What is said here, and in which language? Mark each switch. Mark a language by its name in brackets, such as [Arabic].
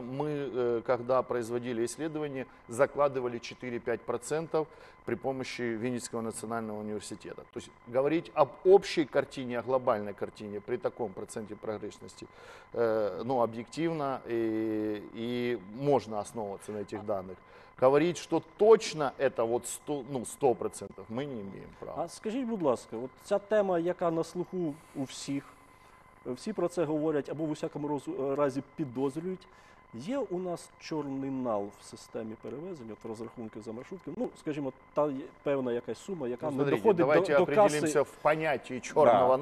[Russian] Мы, когда производили исследование, закладывали 4-5% при помощи Винницкого национального университета. То есть говорить об общей картине, о глобальной картине при таком проценте погрешности, ну, объективно и можно основываться на этих данных. Говорить, что точно это вот 100%, мы не имеем права. [Ukrainian] А скажіть, будь ласка, от ця тема, яка на слуху у всіх, всі про це говорять або в усякому разі підозрюють, є у нас чорний нал в системі перевезень, от в розрахунки за маршрутки, ну, скажімо, та певна якась сума, яка, [Russian] смотрите, [Ukrainian] не доходить до каси. [Russian] Давайте определимся в понятии чорного да.